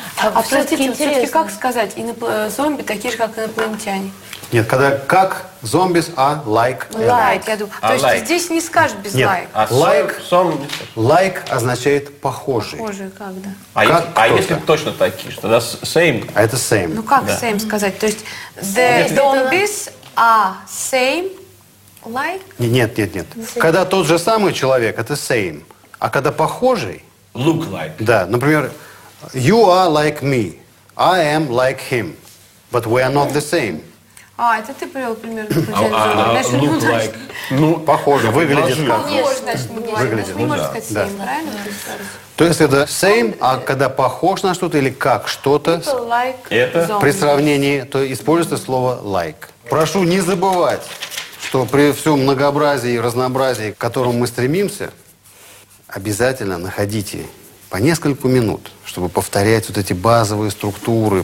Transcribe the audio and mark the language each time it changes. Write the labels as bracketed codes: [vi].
[ru] А все-таки интересно. Как сказать? Зомби такие же, как инопланетяне. Нет, когда как зомби, а like. Like, я думаю. То есть здесь не скажешь без нет. [en] Like. [ru] Like, like означает похожий. Похожий, как, да. Как если точно такие, что да, same. А это same. Ну как да. [en] Same [ru] сказать? То есть [en] the zombies are same like? [ru] Нет. Когда тот же самый человек, это same. А когда похожий... [en] Look like. [ru] Да, например, [en] you are like me, I am like him, but we are not the same. [ru] А, это ты привел пример. Значит, look like. Ну, похоже, выглядит как. Похоже, значит, мы говорим. Мы можем сказать same, да. Правильно? То есть это same, а когда похож на что-то или как что-то, [en] like [ru] это? При сравнении, то используется слово like. Прошу не забывать, что при всем многообразии и разнообразии, к которому мы стремимся, обязательно находите по нескольку минут, чтобы повторять вот эти базовые структуры.